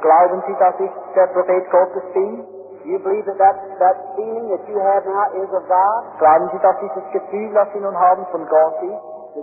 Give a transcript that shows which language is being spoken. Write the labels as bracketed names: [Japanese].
[German] Glauben Sie, dass ich der Prophet Gottes bin? [English] Do you believe that feeling that you have now is of God? [German] Glauben Sie, dass dieses Gefühl, das Sie nun haben, von Gott ist?